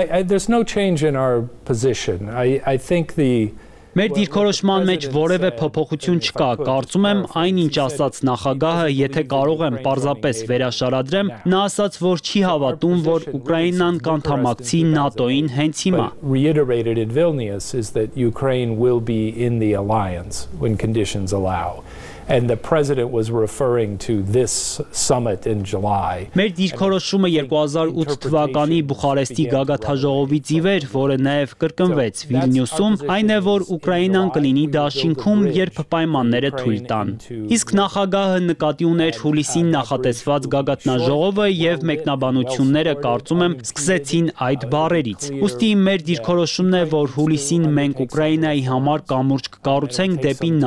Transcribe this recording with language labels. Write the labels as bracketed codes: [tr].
[en] There's no change in our position. I think the [hy] Մեր դիրքորոշման մեջ որևէ փոփոխություն չկա։ Կարծում եմ, այն ինչ ասաց նախագահը, եթե կարող եմ պարզապես վերաշարադրեմ, նա ասաց, որ չի հավատում, որ Ուկրաինան կանդամակցի ՆԱՏՕ-ին հենց հիմա։ [en] Reiterated in Vilnius is that Ukraine will be in the alliance when conditions allow. And the president was referring to this summit in July. [hy] Մեր դիրքորոշումը 2008 թվականի Բուխարեստի գագաթաժողովից իվեր, որը նաև կրկնվեց Վիլնյուսում, այն է, որ Ուկրաինան կլինի Դաշնքում, երբ պայմանները թույլ տան։ Իսկ նախագահը նկատի ուներ հուլիսին նախատեսված գագաթաժողովը եւ մեկնաբանությունները, կարծում եմ, սկսեցին այդ բարերից։ Ուստի մեր դիրքորոշումն է, որ հուլիսին մենք Ուկրաինայի համար կամուրջ կկառուցենք դեպի